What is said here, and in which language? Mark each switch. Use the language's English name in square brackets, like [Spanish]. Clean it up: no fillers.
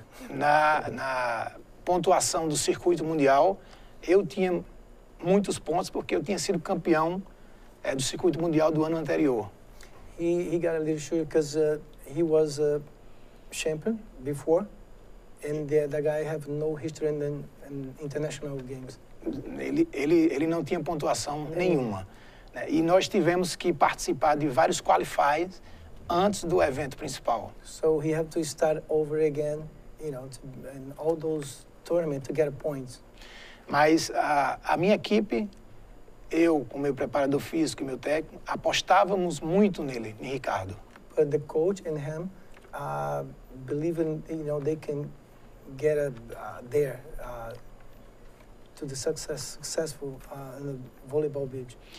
[Portuguese] Na pontuação do circuito mundial, eu tinha muitos pontos porque eu tinha sido campeão do circuito mundial do ano anterior. [English] He got a little sure because he was a champion before, and the guy have no history in international games. [Portuguese] Ele não tinha pontuação nenhuma. E nós tivemos que participar de vários qualifiers antes do evento principal. [English] So he had to start over again, in all those tournaments to get points. [Portuguese] Mas a minha equipe, eu com meu preparador físico e meu técnico, apostávamos muito nele, em Ricardo. [English] But the coach and him believe in, they can get to the successful in the volleyball beach.